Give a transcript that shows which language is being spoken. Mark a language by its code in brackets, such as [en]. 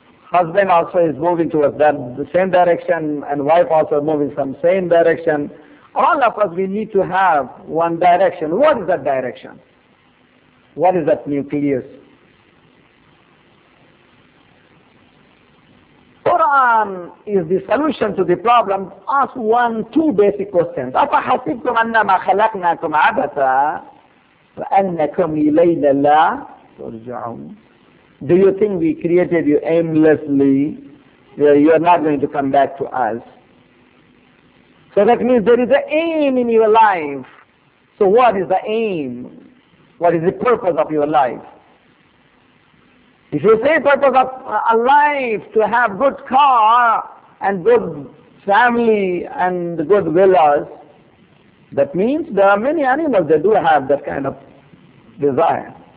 [en] Husband also is moving towards that the same direction, and wife also moving some same direction. All of us, we need to have one direction. What is that direction? What is that nucleus? Quran is the solution to the problem. Ask one, two basic questions. [ar] أَفَحَسِبْتُمْ أَنَّمَا خَلَقْنَاكُمْ عَبَثًا وَأَنَّكُمْ إِلَيْنَا لَا تُرْجَعُونَ. [en] Do you think we created you aimlessly? You are not going to come back to us. So that means there is an aim in your life. So what is the aim? What is the purpose of your life? If you say purpose of a life to have good car and good family and good villas, that means there are many animals that do have that kind of desire.